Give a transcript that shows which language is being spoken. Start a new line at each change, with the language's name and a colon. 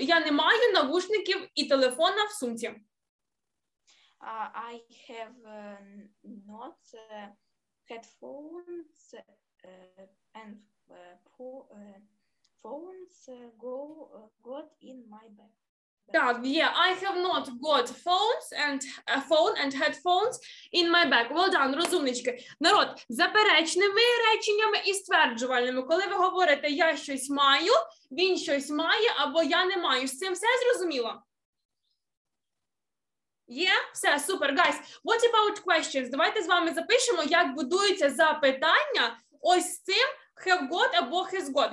Ukrainian: Я не маю навушників і телефона в сумці.
English: I have not headphones and phones got in my bag.
Ukrainian: Так,
English: yeah, I have not got phones and a phone and headphones in my bag. Well done,
Ukrainian: розумнички. Народ, заперечними реченнями і стверджувальними. Коли ви говорите я щось маю, він щось має або я не маю. З цим все зрозуміло?
English: Yeah,
Ukrainian: все, супер.
English: Guys, what about questions?
Ukrainian: Давайте з вами запишемо, як будуються запитання ось з цим
English: have got
Ukrainian: або
English: has got.